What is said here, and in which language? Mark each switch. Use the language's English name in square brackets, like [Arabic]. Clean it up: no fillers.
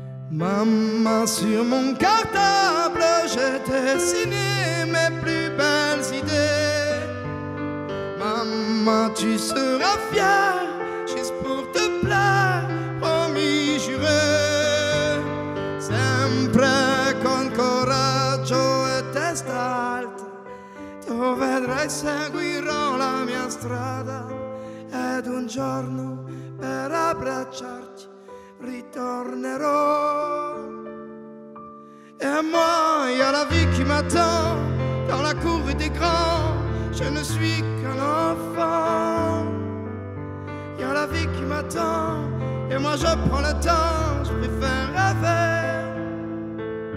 [French] Mamma, sur mon cartable, j'ai dessiné mes plus belles idées. Mamma, tu seras fière, juste pour te plaire, promis, juré. [Italian] Sempre con coraggio e testa alta, tu vedrai, seguirò la mia strada. Ed un giorno, per abbracciarti, ritornerò. [French] Et moi, il y a la vie qui m'attend dans la cour des grands, je ne suis qu'un enfant. Il y a la vie qui m'attend et moi je prends le temps, je préfère rêver.